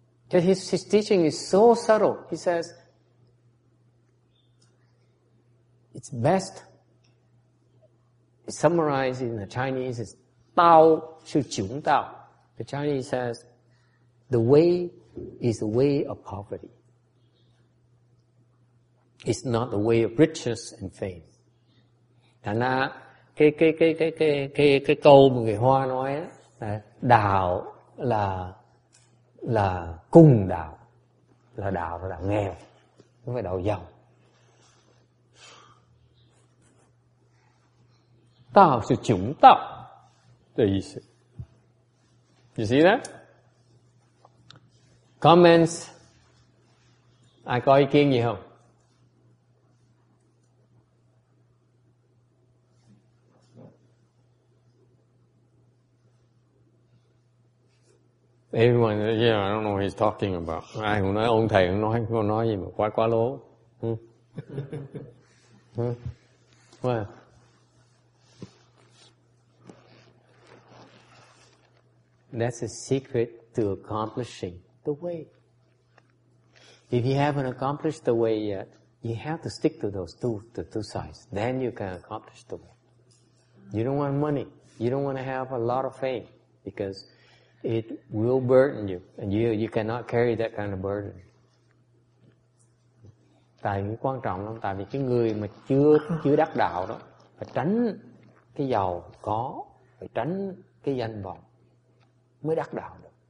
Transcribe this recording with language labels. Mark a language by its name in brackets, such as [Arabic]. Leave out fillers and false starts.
[English] His teaching is so subtle. He says, it's best, it's summarized in the Chinese, is Tao Shi Qiong Tao. The Chinese says, the way is the way of poverty. It's not the way of riches and fame. [Vietnamese] Thành ra, cái câu mà người Hoa nói là đạo là cùng đạo, là đạo nghèo, không phải đạo giàu. Đạo là chủng đạo, the ý nghĩa. [English] You see that? [Vietnamese] Comments, ai có ý kiến gì không? [English] Everyone, yeah, I don't know what he's talking about. [Vietnamese] Ai cũng nói ông thầy cũng nói gì mà quá quá lố. [English] What? That's a secret to accomplishing the way. If you haven't accomplished the way yet, you have to stick to those two sides. Then you can accomplish the way. You don't want money. You don't want to have a lot of fame, because it will burden you, and you cannot carry that kind of burden. [Vietnamese] Tại vì quan trọng lắm, tại vì cái người mà chưa đắc đạo đó, phải tránh cái giàu có, phải tránh cái danh vọng mới đắc đạo được.